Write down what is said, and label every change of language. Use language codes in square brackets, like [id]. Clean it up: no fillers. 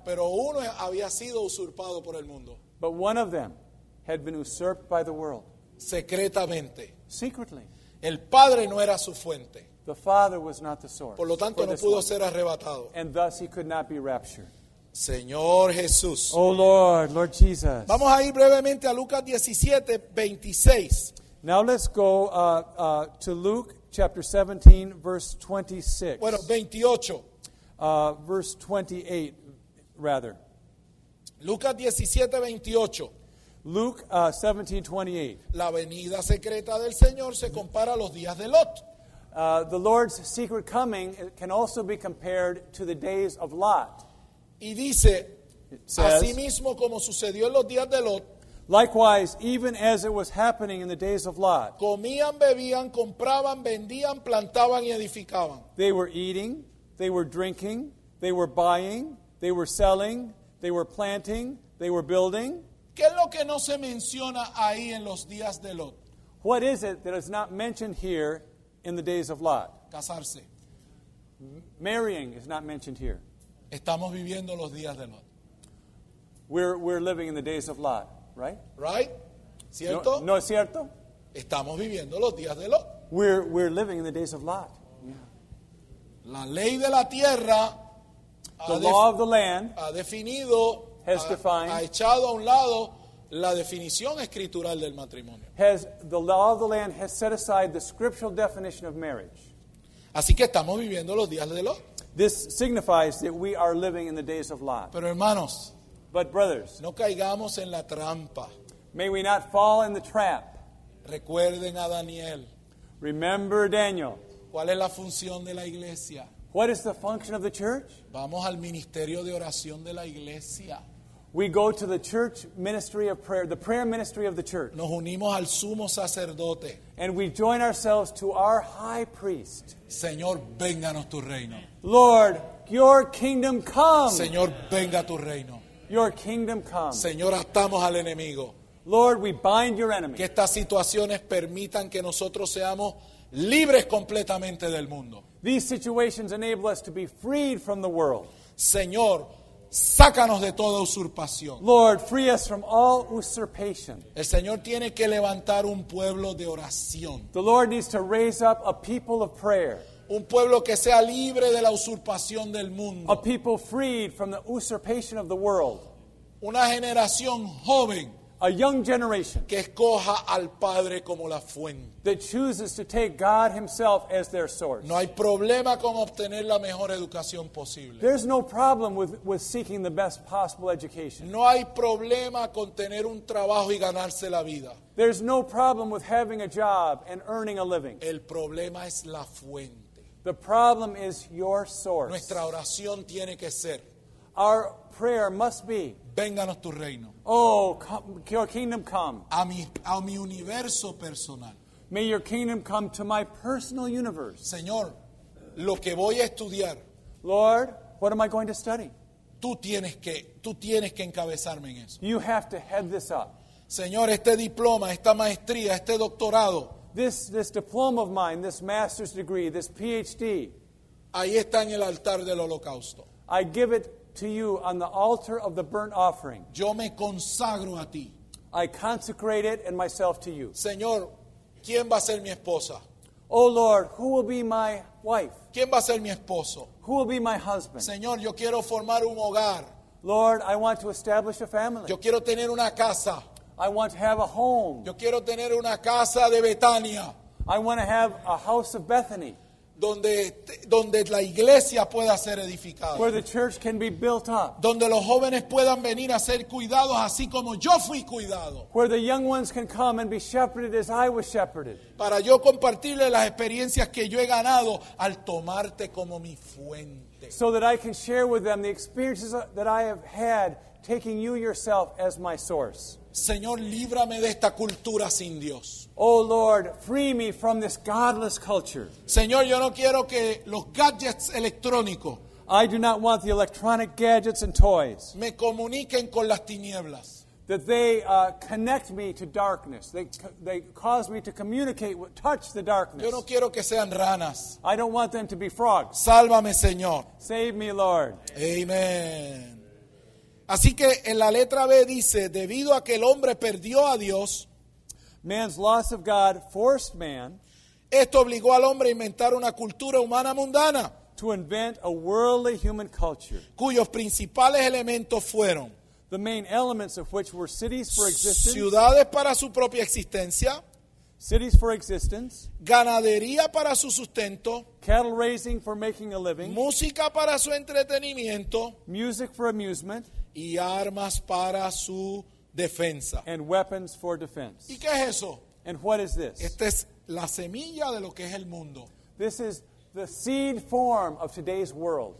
[es] Pero uno había sido usurpado por el mundo. [en] But one of them had been usurped by the world. [es] Secretamente. [en] Secretly. [es] El Padre no era su fuente. [en] The Father was not the source. [es] Por lo tanto, no pudo ser arrebatado. [en] And thus he could not be raptured. [es] Señor Jesús. [en] Oh Lord, Lord Jesus. [es] Vamos a ir brevemente a Lucas 17, 26. [en] Now let's go to Luke chapter 17, verse 26. [es] Bueno, 28. [en] Verse 28, rather. [es] Lucas 17, 28. [en] Luke 17:28. [es] La venida secreta del Señor se compara a los días de Lot. [en] The Lord's secret coming can also be compared to the days of Lot. [es] Y dice, así mismo como sucedió en los días de Lot. [en] Likewise, even as it was happening in the days of Lot. [es] Comían, bebían, compraban, vendían, plantaban y edificaban. [en] They were eating, they were drinking, they were buying, they were selling, they were planting, they were building. [es] ¿Qué es lo que no se menciona ahí en los días de Lot? [en] What is it that is not mentioned here in the days of Lot? [es] Casarse. [en] Marrying is not mentioned here. [es] Estamos viviendo los días de Lot. [en] We're living in the days of Lot, right? Right? [es] ¿Cierto? No, ¿no es cierto? Estamos viviendo los días de Lot. [en] We're living in the days of Lot. [es] La ley de la tierra, [en] the law of the land, [es] ha definido, [en] has defined, [es] ha echado a un lado la definición escritural del matrimonio. [en] Has, the law of the land has set aside the scriptural definition of marriage. [es] Así que estamos viviendo los días de Lot. [en] This signifies that we are living in the days of Lot. [es] Pero hermanos, [en] but brothers, [es] no caigamos en la trampa. [en] May we not fall in the trap. [es] Recuerden a Daniel. [en] Remember Daniel. [es] ¿Cuál es la función de la iglesia? [en] What is the function of the church? [es] Vamos al ministerio de oración de la iglesia. [en] We go to the church ministry of prayer, the prayer ministry of the church. [es] Nos unimos al sumo sacerdote. [en] And we join ourselves to our high priest. [es] Señor, vénganos tu reino. [en] Lord, your kingdom come. [es] Señor, venga tu reino. [en] Your kingdom come. [es] Señor, atamos al enemigo. [en] Lord, we bind your enemy. [es] Que estas situaciones permitan que nosotros seamos libres completamente del mundo. [en] These situations enable us to be freed from the world. [es] Señor, sácanos de toda usurpación. [en] Lord, free us from all usurpation. [es] El Señor tiene que levantar un pueblo de oración. [en] The Lord needs to raise up a people of prayer. [es] Un pueblo que sea libre de la usurpación del mundo. [en] A people freed from the usurpation of the world. [es] Una generación joven. [en] A young generation [es] que escoja al Padre como la fuente. [en] That chooses to take God Himself as their source. [es] No hay problema con obtener la mejor educación posible. [en] There's no problem with seeking the best possible education. [es] No hay problema con tener un trabajo y ganarse la vida. [en] There's no problem with having a job and earning a living. [es] El problema es la fuente. [en] The problem is your source. [es] Nuestra oración tiene que ser. [en] Our prayer must be. [es] Vénganos tu reino. [en] Oh, come, your kingdom come. [es] A mi universo personal. [en] May your kingdom come to my personal universe. [es] Señor, lo que voy a estudiar. [en] Lord, what am I going to study? [es] Tú tienes que encabezarme en eso. [en] You have to head this up. [es] Señor, este diploma, esta maestría, este doctorado. [en] This diploma of mine, this master's degree, this PhD. [es] Ahí está en el altar del holocausto. [en] I give it to you on the altar of the burnt offering. [es] Yo me consagro a ti. [en] I consecrate it and myself to you. [es] Señor, ¿quién va a ser mi esposa? [en] Oh Lord, who will be my wife? [es] ¿Quién va a ser mi esposo? [en] Who will be my husband? [es] Señor, yo quiero formar un hogar. [en] Lord, I want to establish a family. [es] Yo quiero tener una casa. [en] I want to have a home. [es] Yo quiero tener una casa de Betania. [en] I want to have a house of Bethany. [es] Donde la iglesia pueda ser edificada. [en] Where the church can be built up. [es] Donde los jóvenes puedan venir a ser cuidados así como yo fui cuidado. [en] Where the young ones can come and be shepherded as I was shepherded. [es] Para yo compartirle las experiencias que yo he ganado al tomarte como mi fuente. [en] So that I can share with them the experiences that I have had taking you yourself as my source. [es] Señor, líbrame de esta cultura sin Dios. [en] Oh Lord, free me from this godless culture. [es] Señor, yo no quiero que los gadgets electrónicos. [en] I do not want the electronic gadgets and toys. [es] Me comuniquen con las tinieblas. [en] That they connect me to darkness. They cause me to communicate, touch the darkness. [es] Yo no quiero que sean ranas. [en] I don't want them to be frogs. [es] Sálvame, Señor. [en] Save me, Lord. Amen. [es] Así que en la letra B dice, debido a que el hombre perdió a Dios, [en] man's loss of God forced man, [es] esto obligó al hombre a inventar una cultura humana mundana, [en] to invent a worldly human culture, [es] cuyos principales elementos fueron, [en] the main elements of which were cities for existence, [es] ciudades para su propia existencia, [en] cities for existence, [es] ganadería para su sustento, [en] cattle raising for making a living, [es] música para su entretenimiento, [en] music for amusement, [es] y armas para su defensa. [en] And weapons for defense. [es] ¿Y qué es eso? [en] And what is this? [es] Esta es la semilla de lo que es el mundo. [en] This is the seed form of today's world.